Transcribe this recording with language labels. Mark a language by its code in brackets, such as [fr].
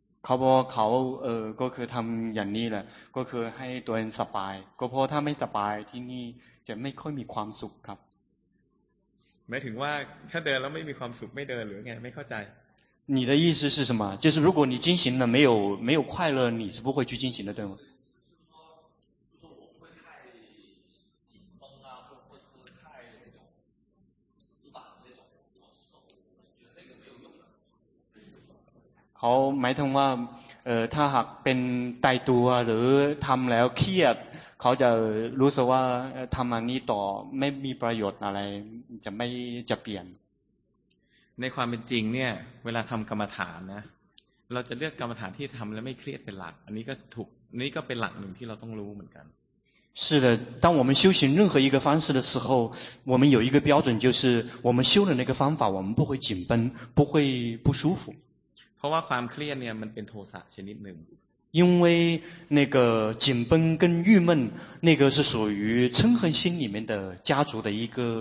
[th] เขาบอกเขาก็คือทำอย่างนี้แหละก็คือให้ตัวเองสบายก็เพราะถ้าไม่สบายที่นี่จะไม่ค่อยมีความสุขครับ หมายถึงว่าถ้าเดินแล้วไม่มีความสุขไม่เดินหรือไงไม่เข้าใจ [zh] 你的意思是什么就是如果你进行了没有快乐你是不会去进行的对吗 [th] เขาหมายถึงว่าถ้าหากเป็นตายตัวหรือทำแล้วเครียดเขาจะรู้สึกว่าทำอันนี้ต่อไม่มีประโยชน์อะไรจะเปลี่ยน ในความเป็นจริงเนี่ยเวลาทำกรรมฐานนะเราจะเลือกกรรมฐานที่ทำแล้วไม่เครียดเป็นหลักอันนี้ก็ถูกนี่ก็เป็นหลักหนึ่งที่เราต้องรู้เหมือนกัน [zh] 是的当我们修行任何一个方式的时候我们有一个标准就是我们修的那个方法我们不会紧绷不会不舒服 [th] เพราะว่าความเครียดเนี่ยมันเป็นโทสะชนิดหนึ่ง [zh] 因为那个紧绷跟郁闷那个是属于嗔恨心里面的家族的一个